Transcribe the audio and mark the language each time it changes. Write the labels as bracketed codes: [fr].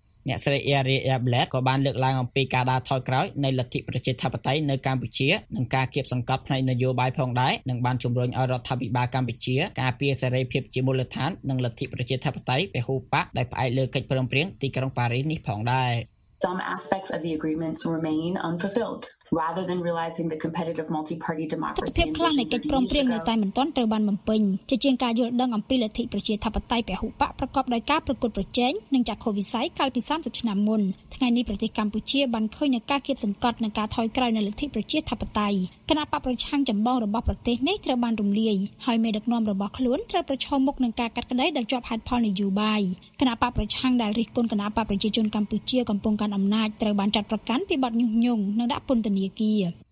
[km] អ្នកស្រី Ariel Ekblad ក៏បានលើកឡើងអំពីការដើរថយក្រោយនៃលទ្ធិប្រជាធិបតេយ្យនៅកម្ពុជានិងការគាបសង្កត់ផ្នែកនយោបាយផងដែរនិងបានជំរុញឲ្យរដ្ឋាភិបាលកម្ពុជាការពារសេរីភាពជាមូលដ្ឋាននិងលទ្ធិប្រជាធិបតេយ្យពហុបកដែលផ្អែកលើកិច្ចព្រមព្រៀងទីក្រុងប៉ារីសនេះផងដែរ [en] Some aspects of the agreements remain unfulfilled. Rather than realizing the competitive multi-party democracy [km] ភាពខ្លះនៃកិច្ចព្រមព្រៀងនៅតែមិនទាន់ត្រូវបានបំពេញជាជាងការយល់ដឹងអំពីលទ្ធិប្រជាធិបតេយ្យពហុបកប្រកបដោយការប្រកួតប្រជែងនិងចក្ខុវិស័យកាលពី30ឆ្នាំមុនថ្ងៃនេះប្រទេសកម្ពុជាបានឃើញនូវការគៀបសង្កត់និងការថយក្រោយនៃលទ្ធិប្រជាធិបតេយ្យគណៈបកប្រឆាំងចម្បងរបស់ប្រទេសនេះត្រូវបានរំលាយហើយមេដឹកនាំរបស់ខ្លួនត្រូវប្រឈមមុខនឹងការកាត់ក្តីដែលជាប់ហេតុផលនយោបាយគណៈបកប្រឆាំងដែលរិះគន់គណៈបកប្រជាជនកម្ពុជាកំពុងកាន់អំណាចត្រូវបានចាត់ប្រកាន់ពីបទញុះញង់និងដាក់ពន្ធនាគារ